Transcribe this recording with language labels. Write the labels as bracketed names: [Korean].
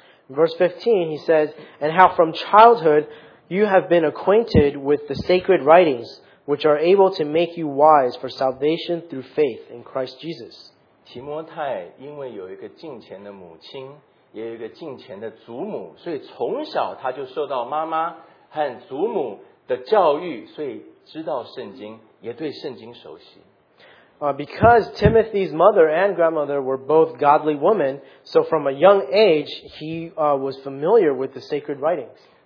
[English] Verse 15, he says, And how from childhood you have been acquainted with the sacred writings, which are able to make you wise for salvation through faith in Christ Jesus. [Chinese] 提摩太因为有一个敬虔的母亲，也有一个敬虔的祖母，所以从小他就受到妈妈和祖母的教育，所以知道圣经，也对圣经熟悉。 [English] Because Timothy's mother and grandmother were both godly women, so from a young age, he was familiar with the sacred writings.